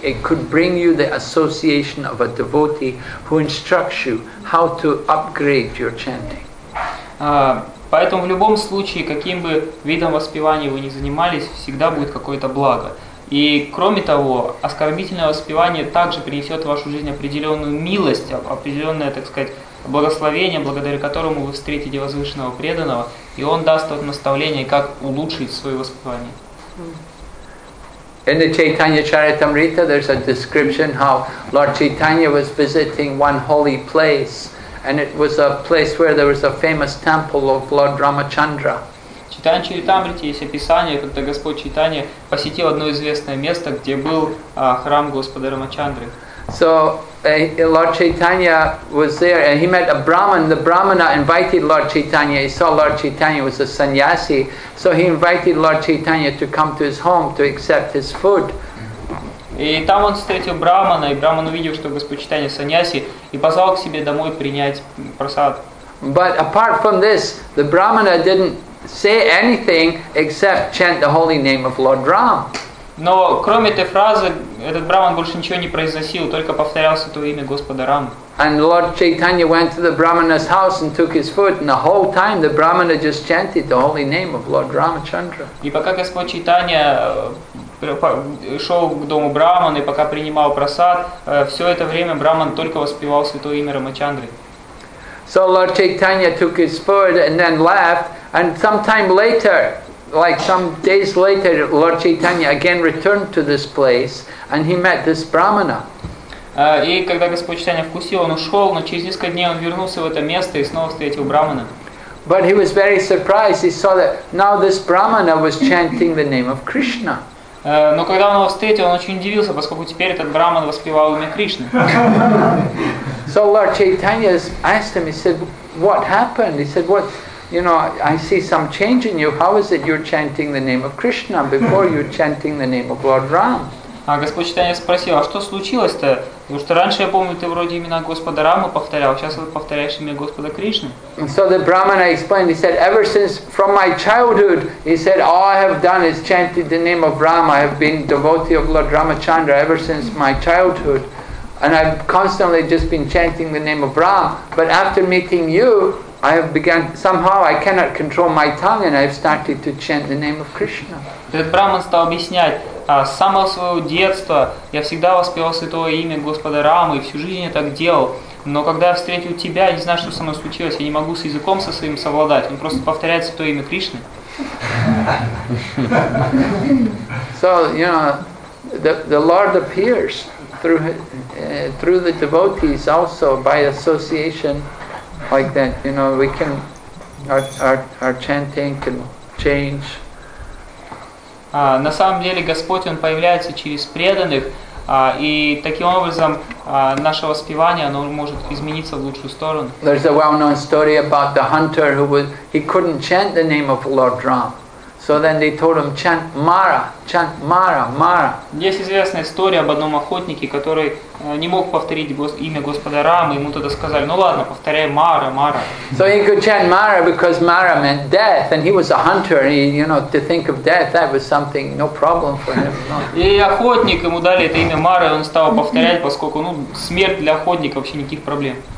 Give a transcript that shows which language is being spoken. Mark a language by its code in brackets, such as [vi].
[en] It could bring you the association of a devotee who instructs you how to upgrade your chanting. [ru] Поэтому в любом случае, каким бы видом воспевания вы ни занимались, всегда будет какое-то благо. И кроме того, оскорбительное воспевание также принесет в вашу жизнь определенную милость, определенное, так сказать, благословение, благодаря которому вы встретите возвышенного преданного, и он даст вот наставление, как улучшить свое воспевание. [en] In the Chaitanya Charitamrita, there's a description how Lord Chaitanya was visiting one holy place, and it was a place where there was a famous temple of Lord Ramachandra. [ru] Читаем Чаритамриту, есть описание, когда Господь Чайтанья посетил одно известное место, где был храм Господа Рамачандры. [en] So Lord Chaitanya was there, and he met a Brahmin. The Brahmana invited Lord Chaitanya. He saw Lord Chaitanya was a sannyasi, so he invited Lord Chaitanya to come to his home to accept his food. [ru] И там он встретил Брахмана, и Брахман увидел, что Господь Чайтанья сannyasi, и позвал к себе домой принять просад. [en] But apart from this, the Brahmana didn't say anything except chant the holy name of Lord Ram. [ru] Но кроме этой фразы этот Брахман больше ничего не произносил, только повторял святое имя Господа Рам. [en] And Lord Chaitanya went to the Brahmana's house and took his food, and the whole time the Brahmana just chanted the holy name of Lord Ramachandra. [ru] И пока Господь Чайтанья шел к дому Брахмана и пока принимал просад, все это время Брахман только воспевал святое имя Рамачандры. [en] So Lord Chaitanya took his food and then left, and sometime later, like some days later, Lord Chaitanya again returned to this place and he met this Brahmana. [ru] И когда Господь Чайтанья вкусил, он ушел, но через несколько дней он вернулся в это место и снова встретил Брахмана. [en] But he was very surprised. He saw that now this Brahmana was chanting the name of Krishna. [ru] Но когда он его встретил, он очень удивился, поскольку теперь этот Брахман воспевал имя Кришны. [en] So Lord Chaitanya asked him, he said, what happened? He said, what? You know, I see some change in you. How is it you're chanting the name of Krishna before you're chanting the name of Lord Ram? [ru] Господь Чайтанья спросил, а что случилось-то? Потому что раньше я помню, ты вроде имена Господа Рама повторял, сейчас ты повторяешь имя Господа Кришны. [en] So the Brahmana explained, he said, ever since from my childhood, he said, all I have done is chanted the name of Ram. I have been devotee of Lord Ramachandra ever since my childhood. And I've constantly just been chanting the name of Ram. But after meeting you, I have begun, somehow I cannot control my tongue and I've started to chant the name of Krishna. [ru] Этот Брахман стал объяснять, с самого своего детства я всегда воспевал святое имя Господа Рамы, и всю жизнь я так делал, но когда я встретил тебя, я не знаю, что со мной случилось, я не могу с языком со своим совладать, он просто повторяет святое имя Кришны. [en] So, you know, the Lord appears through the devotees also by association. Like that, you know, we can our chanting can change. [ru] На самом деле Господь он появляется через преданных, и таким образом наше воспевание оно может измениться в лучшую сторону. [en] There's a well-known story about the hunter who was he couldn't chant the name of Lord Ram. So then they told him, chant Mara, Mara. [ru] Есть известная история об одном охотнике, который не мог повторить имя Господа Рама, ему тогда сказали, ну ладно, повторяй Мара, Мара. [en] So he could chant Mara because Mara meant death, and he was a hunter, and he, you know, to think of death, that was something, no problem for him. [ru] И охотник, ему дали это имя Мара, и он стал повторять, поскольку, ну, смерть для охотника вообще никаких проблем.